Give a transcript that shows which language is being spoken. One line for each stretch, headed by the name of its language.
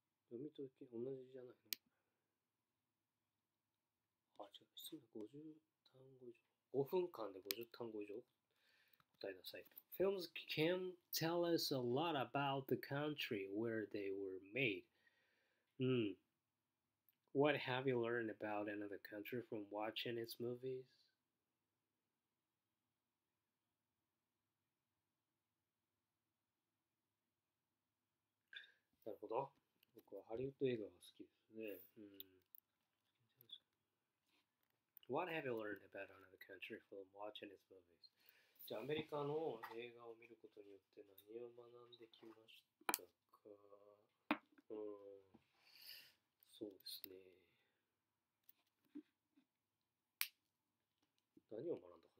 Japanese: 読み解き同じじゃないの。あ、違う。質問は50単語以上。5分間で50単語以上答えなさい。
English: Films can tell us a lot about the country where they were made. What have you learned about another country from watching its movies?
Japanese: なるほど。僕はハリウッド映画が好きですね。
English: What have you learned about another country from watching its movies?
Japanese: じゃあアメリカの映画を見ることによって何を学んできましたか。そうですね。何を学んだかな。